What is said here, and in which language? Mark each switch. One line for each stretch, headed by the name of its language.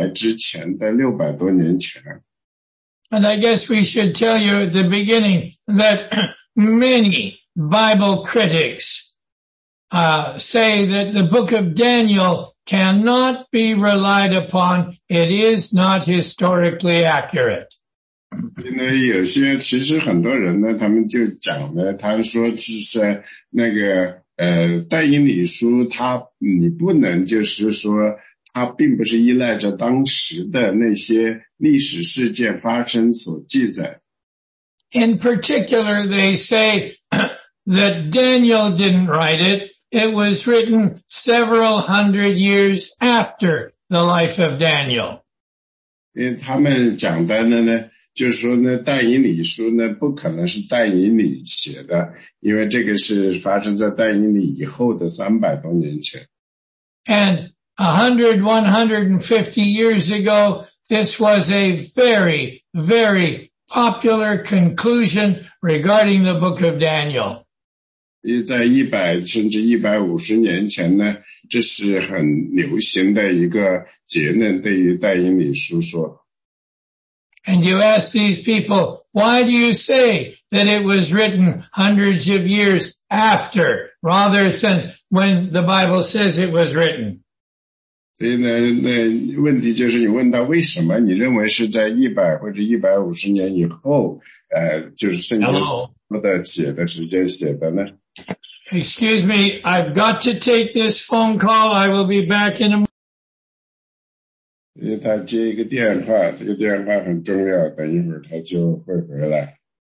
Chinese: 因为你去读历史的话呢，他会告诉你这件事情所发生的准确的时间，这个大约是在主耶稣基督来之前的600多年前。And
English: I guess we should tell you at the beginning that many Bible critics say that the book of Daniel cannot be relied upon. It is not historically accurate.
Chinese: 因为有些其实很多人呢，他们就讲呢，他说是那个但以理书，他你不能就是说他并不是依赖着当时的那些历史事件发生所记载。In
English: particular, they say that Daniel didn't write it. It was written several hundred years after the life of Daniel.
Chinese: 因为他们讲的呢。就是说呢，但以理书呢，不可能是但以理写的，因为这个是发生在但以理以后的300多年前。
English: And 100, 150 years ago, This was a very, very popular conclusion regarding the book of Daniel.
Chinese: 在100甚至150年前呢，这是很流行的一个结论，对于但以理书说。
English: And you ask these people, why do you say that it was written hundreds of years after, rather than when the Bible says it was written?
Chinese: 对呢，那问题就是你问到为什么你认为是在100或者150年以后，就是圣经说的写的时间写的呢？
English: Excuse me, I've got to take this phone call. I will be back in a moment.
Chinese: 因为他接一个电话，这个电话很重要，等一会儿他就会回来。